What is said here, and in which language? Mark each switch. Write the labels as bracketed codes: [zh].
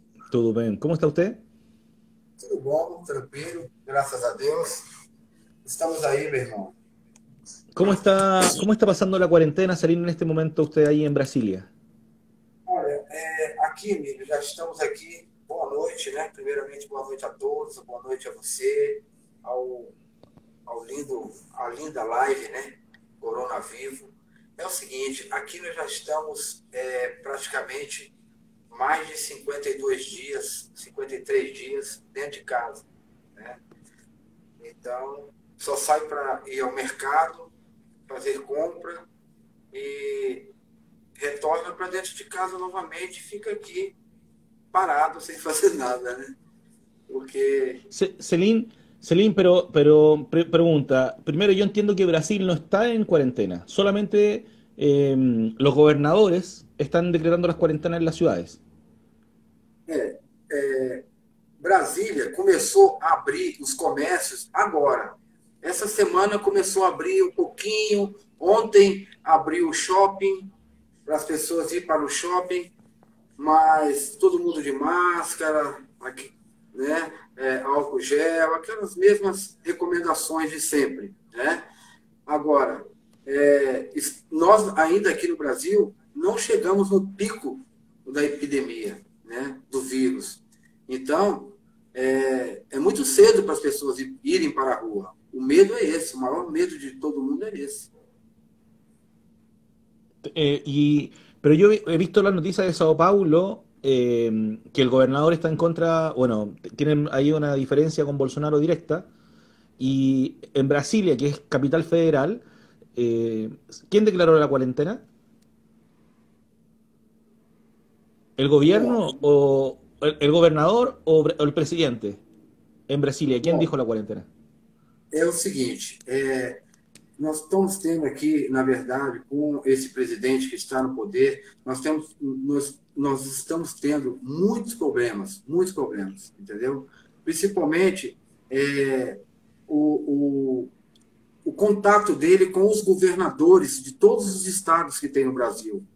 [es] Todo bien. ¿Cómo está usted? [pt] Todo bom, tranquilo, [es] gracias a Dios. Estamos ahí mismo. Cómo está pasando la cuarentena, Salín, en este momento usted ahí en Brasilia? Aquí, amigo, ya estamos aquí. [pt] Boa noite, né? Primeiramente, boa noite a todos, boa noite a você, ao lindo, à linda live, né? Corona Vivo. É o seguinte, aqui nós já estamos praticamente mais de 52 dias, 53 dias dentro de casa, né? Então, só sai para ir ao mercado, fazer compra e retorna para dentro de casa novamente e fica aqui parado, sem fazer nada, né? Porque [es] Celine, pero pregunta, primero yo entiendo que Brasil no está en cuarentena, solamente los gobernadores están decretando las cuarentenas en las ciudades. [pt] Brasília começou a abrir os comércios agora. Essa semana começou a abrir um pouquinho. Ontem abriu o shopping para as pessoas ir para o shopping. Mas todo mundo de máscara, aqui, né? Álcool gel, aquelas mesmas recomendações de sempre, né? Agora, nós ainda aqui no Brasil não chegamos no pico da epidemia, né? Do vírus. Então, é muito cedo para as pessoas irem para a rua. O medo é esse, o maior medo de todo mundo é esse. [es] Pero yo he visto la noticia de Sao Paulo, que el gobernador está en contra, bueno, tienen ahí una diferencia con Bolsonaro directa, y en Brasilia, que es capital federal, ¿quién declaró la cuarentena? ¿El [pt] Bom, [es] gobierno o el gobernador o el presidente en Brasilia? ¿Quién dijo la cuarentena? [pt] é o seguinte, nós estamos tendo aqui, na verdade, com esse presidente que está no poder, nós estamos tendo muitos problemas, entendeu? Principalmente o contato dele com os governadores de todos os estados que tem no Brasil.